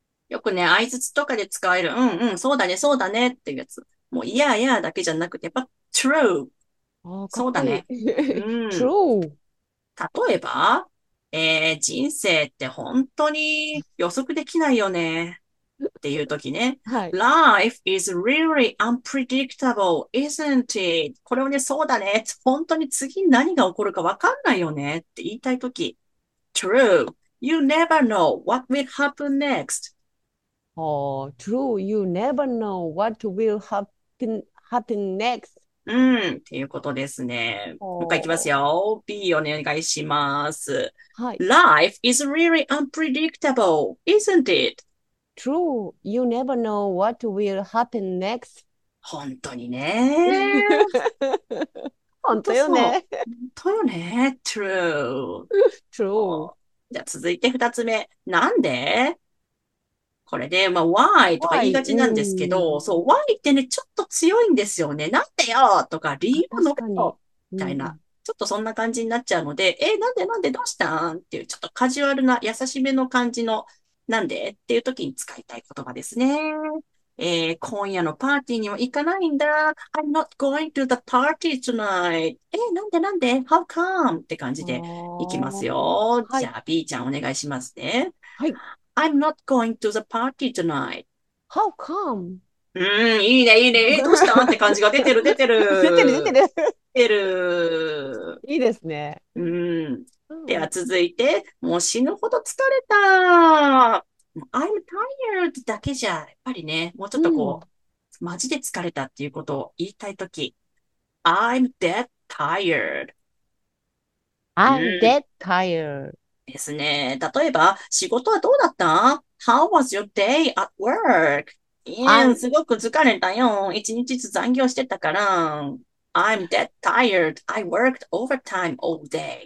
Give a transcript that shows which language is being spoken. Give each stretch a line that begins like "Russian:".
Japanese: よくね、相槌とかで使える、そうだね、そうだねっていうやつ。もう、いやいやだけじゃなくて、やっぱ、true。ああ、かっそうだこいい。ね。
English: True。
Japanese: 例えば、人生って本当に予測できないよねっていう時ね。はい。
English: Life is really unpredictable, isn't it?
Japanese: これをね、そうだね。本当に次何が起こるかわかんないよねって言いたい時。
English: True. You never know what will happen next. Oh, true. You never know what will happen next.
Japanese: っていうことですね。もう一回いきますおよ。B をお願いします。ー。はい。
English: Life is really unpredictable, isn't it? True. You never know what will happen next.
Japanese: 本当にね。本当本当よそう。ね。本当よね。True.
English: True.
Japanese: じゃあ続いて二つ目。なんで？これで、まあ、why とか言い
English: Why?
Japanese: がちなんですけど、そう、why ってね、ちょっと強いんですよね。なんでよとか、あ、理由を述べ確かに。ろみたいな。ちょっとそんな感じになっちゃうので、なんでなんでどうしたんっていう、ちょっとカジュアルな、優しめの感じの、なんでっていう時に使いたい言葉ですね。今夜のパーティーには行かないんだ。
English: I'm not going to the party tonight.
Japanese: なんでなんで ?
English: How come?
Japanese: って感じでいきますよ。じゃあ、B ちゃんお願いしますね。
English: I'm not going to the party tonight. How come?
Japanese: いいね、いいね。どうしたって感じが出てる、出て出てる、出てる。る。出てる。いいですね。では続いて、もう死ぬほど疲れた。
English: I'm tired
Japanese: だけじゃ、やっぱりね、もうちょっとこう、マジで疲れたっていうことを言いたいとき。
English: I'm dead tired. I'm dead tired.
Japanese: ですね。例えば、仕事はどうだった？
English: How was your day at work?
Japanese: すごく疲れたよ。一日ずつ残業してたから。
English: I'm dead tired. I worked overtime all day.